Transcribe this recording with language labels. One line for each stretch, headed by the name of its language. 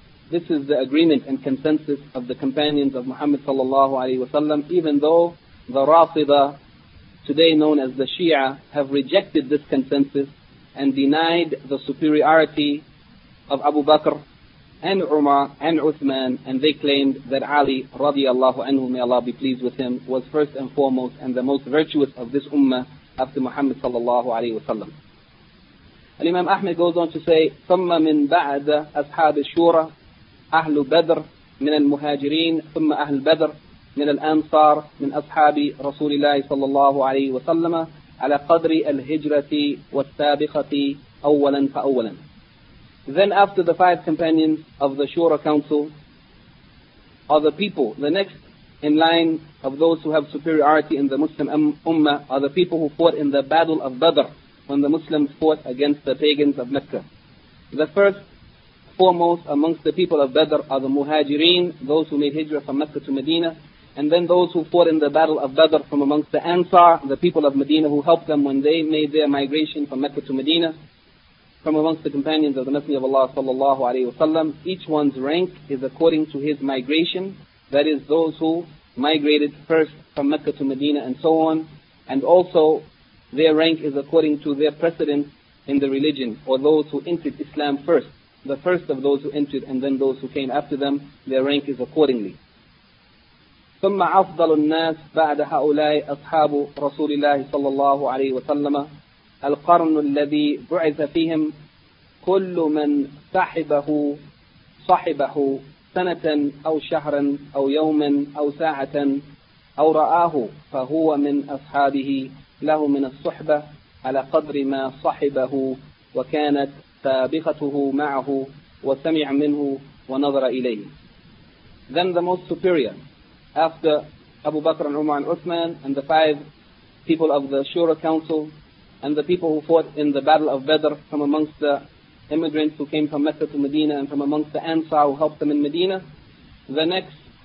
English: This is the agreement and consensus of the companions of Muhammad sallallahu alayhi wa sallam, even though the Rafida, today known as the Shia, have rejected this consensus and denied the superiority of Abu Bakr and Umar and Uthman, and they claimed that Ali radiallahu anhu, may Allah be pleased with him, was first and foremost and the most virtuous of this Ummah after Muhammad sallallahu alayhi wa sallam. Al-Imam Ahmed goes on to say,
Arabic: ثم من بعد أصحاب الشورى أهل بدر من المهاجرين ثم أهل بدر من الأنصار من أصحاب رسول الله صلى الله عليه وسلم على قدر الهجرة والسابقة أولا فأولا.
English: Then after the five companions of the Shura Council are the people, the next in line of those who have superiority in the Muslim Ummah are the people who fought in the Battle of Badr when the Muslims fought against the pagans of Mecca. The first foremost amongst the people of Badr are the Muhajireen, those who made Hijrah from Mecca to Medina. And then those who fought in the Battle of Badr from amongst the Ansar, the people of Medina who helped them when they made their migration from Mecca to Medina, from amongst the companions of the Messenger of Allah sallallahu alayhi wa sallam, each one's rank is according to his migration, that is those who migrated first from Mecca to Medina and so on, and also their rank is according to their precedence in the religion, or those who entered Islam first, the first of those who entered and then those who came after them, their rank is accordingly.
Arabic: ثم أفضل الناس بعد هؤلاء أصحاب رسول الله صلى الله عليه وسلم القرن الذي بعث فيهم كل من صاحبه صاحبه سنة أو شهرا أو يوما أو ساعة أو رآه فهو من أصحابه له من الصحبة على قدر ما صاحبه وكانت سابقته معه وسمع منه ونظر إليه.
English: Then the most superior, after Abu Bakr and Umar and Uthman and the five people of the Shura Council and the people who fought in the Battle of Badr from amongst the immigrants who came from Mecca to Medina and from amongst the Ansar who helped them in Medina, the next